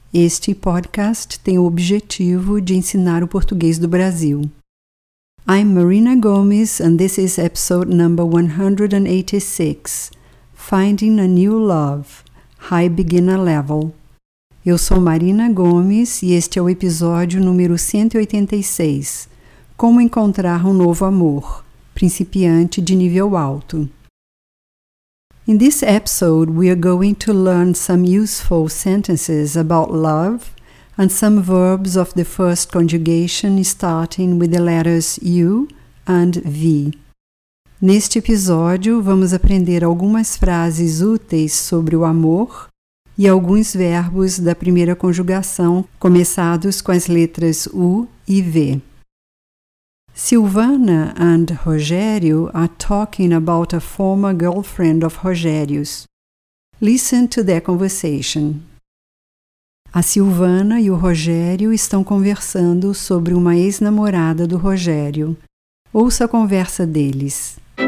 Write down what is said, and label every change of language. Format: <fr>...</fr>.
<pt>Este podcast tem o objetivo de ensinar o português do Brasil.</pt> <en>I'm Marina Gomes, and this is episode number 186, Finding a New Love, High Beginner Level.</en> <pt>Eu sou Marina Gomes e este é o episódio número 186, Como Encontrar um Novo Amor, Principiante de Nível Alto.</pt> <en>In this episode, we are going to learn some useful sentences about love and some verbs of the first conjugation starting with the letters U and V.</en> <pt>Neste episódio, vamos aprender algumas frases úteis sobre o amor e alguns verbos da primeira conjugação começados com as letras U e V.</pt> <en>Silvana and Rogério are talking about a former girlfriend of Rogério's. Listen to their conversation.</en> <pt>A Silvana e o Rogério estão conversando sobre uma ex-namorada do Rogério. Ouça a conversa deles.</pt>